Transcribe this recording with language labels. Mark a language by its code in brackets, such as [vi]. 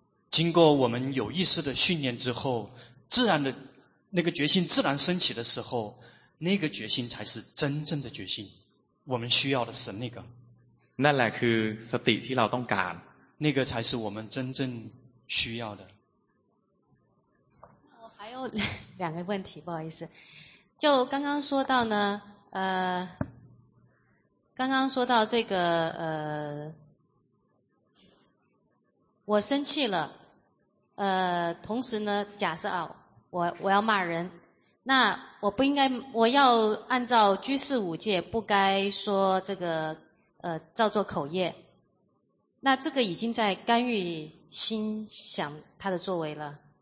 [zh] 经过我们有意识的训练之后自然的那个决心自然升起的时候那个决心才是真正的决心我们需要的是那个 [th] นั่นแหละคือสติที่เราต้องการ [zh] 那个才是我们真正需要的我还有两个问题不好意思就刚刚说到呢刚刚说到这个我生气了同时呢假设啊我要骂人那我不应该我要按照居士五戒不该说这个造作口业那这个已经在干预心想他的作为了